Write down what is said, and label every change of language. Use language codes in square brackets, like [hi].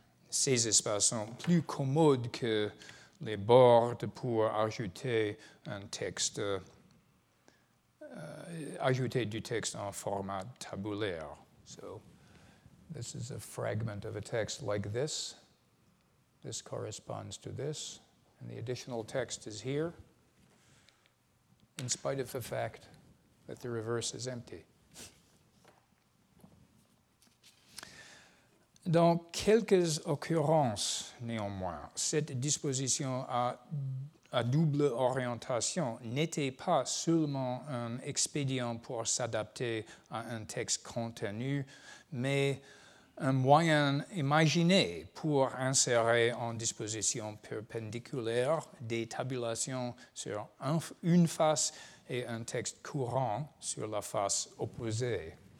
[fr] Ces espaces sont plus commodes que les bords pour ajouter un texte, ajouter du texte en format tabulaire. [en] So, this is a fragment of a text like this. This corresponds to this. And the additional text is here, in spite of the fact that the reverse is empty. [fr] Dans quelques occurrences, néanmoins, cette disposition à double orientation n'était pas seulement un expédient pour s'adapter à un texte contenu, mais un moyen imaginé pour insérer en disposition perpendiculaire des tabulations sur une face et un texte courant sur la face opposée.